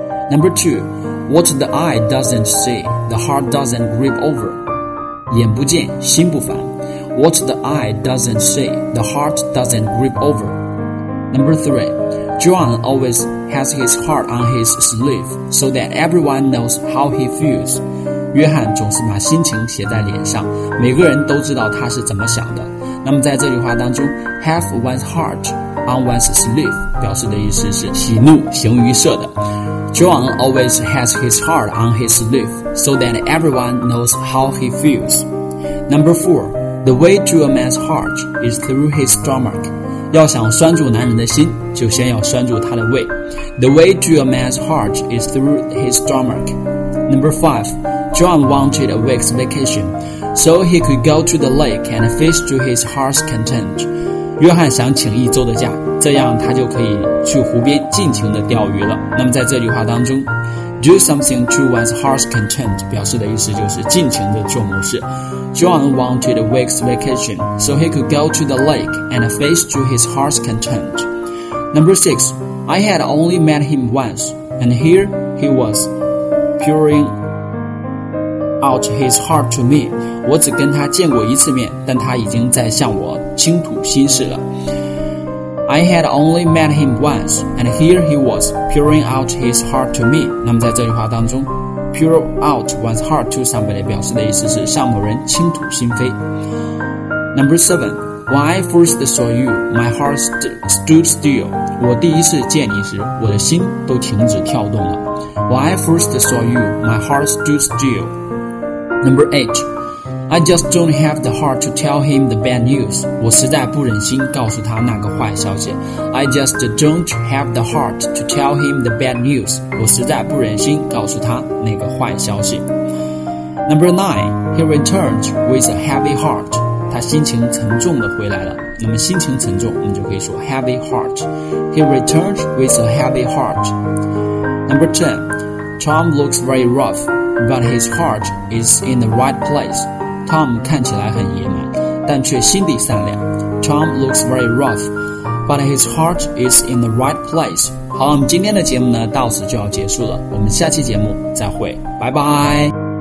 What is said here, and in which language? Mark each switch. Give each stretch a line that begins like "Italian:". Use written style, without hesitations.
English: Number two, what the eye doesn't see, the heart doesn't grieve over.
Chinese: 眼不见，心不烦。
English: What the eye doesn't see, the heart doesn't grieve over. Number three, John always has his heart on his sleeve so that everyone knows how he feels.
Chinese: 约翰总是把心情写在脸上，每个人都知道他是怎么想的。那么在这句话当中，
English: have one's heart on one's sleeve
Chinese: 表示的意思是喜怒形于色的。
English: John always has his heart on his sleeve so that everyone knows how he feels. Number four, the way to a man's heart is through his stomach.
Chinese: 要想拴住男人的心，就先要拴住他的胃。
English: The way to a man's heart is through his stomach. Number five, John wanted a week's vacation so he could go to the lake and fish to his heart's content.
Chinese: 约翰想请一周的假，这样他就可以去湖边尽情的钓鱼了。那么在这句话当中，
English: do something to one's heart's content
Chinese: 表示的意思就是尽情的做某事。
English: John wanted a week's vacation so he could go to the lake and fish to his heart's content. Number six, I had only met him once and here he was pouringout his heart to me.
Chinese: 我只跟他见过一次面，但他已经在向我倾吐心事了。
English: I had only met him once and here he was pouring out his heart to me.
Chinese: 那么在这句话当中，
English: pour out one's heart to somebody
Chinese: 表示的意思是向某人倾吐心扉。
English: Number seven, when I first saw you, my heart stood still.
Chinese: 我第一次见你时，我的心都停止跳动了。
English: When I first saw you, my heart stood stillNumber eight, I just don't have the heart to tell him the bad news.
Chinese: 我实在不忍心告诉他那个坏消息。
English: I just don't have the heart to tell him the bad news.
Chinese: 我实在不忍心告诉他那个坏消息。
English: Number nine, he returned with a heavy heart.
Chinese: 他心情沉重的回来了。那么心情沉重，我们就可以说 heavy heart.
English: He returned with a heavy heart. Number ten, Tom looks very rough. But his heart is in the right place.
Chinese: Tom 看起来很野蛮，但却心地善良。
English: Tom looks very rough, but his heart is in the right place.
Chinese: 好，我们今天的节目呢，到此就要结束了。我们下期节目再会，拜拜。